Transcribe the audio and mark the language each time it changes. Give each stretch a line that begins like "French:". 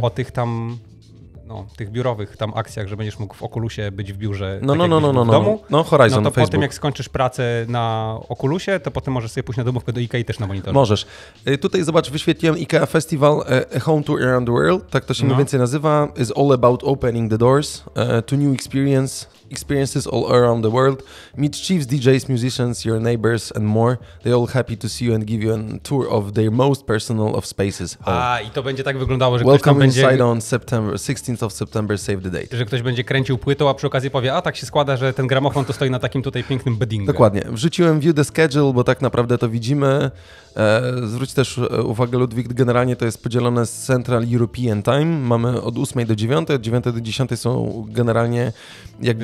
Polish: O tych tam, no, tych biurowych tam akcjach, że będziesz mógł w Oculusie być w biurze. No, w domu. No, Horizon, no to Facebook. Po tym, jak skończysz pracę na Oculusie, to potem możesz sobie pójść na domówkę do IKEA i też na monitor. Możesz. Tutaj zobacz, wyświetliłem IKEA Festival Home to Around the World, tak to się mniej więcej nazywa.
English: Is all about opening the doors to new experiences all around the world. Meet chiefs, DJs, musicians, your neighbors and more. They're all happy to see you and give you a tour of their most personal of spaces. Home.
Polish: A, i to będzie tak wyglądało, że
English: welcome
Polish: ktoś tam będzie...
English: Welcome inside on September, 16th of September, save the date.
Polish: Że ktoś będzie kręcił płytą, a przy okazji powie, a tak się składa, że ten gramofon to stoi na takim tutaj pięknym beddingu. Dokładnie. Wrzuciłem
English: view the schedule,
Polish: bo tak naprawdę to widzimy. Zwróć też uwagę, Ludwik, generalnie to jest podzielone z Central European Time. Mamy od 8 do 9, od 9 do 10 są generalnie jakby...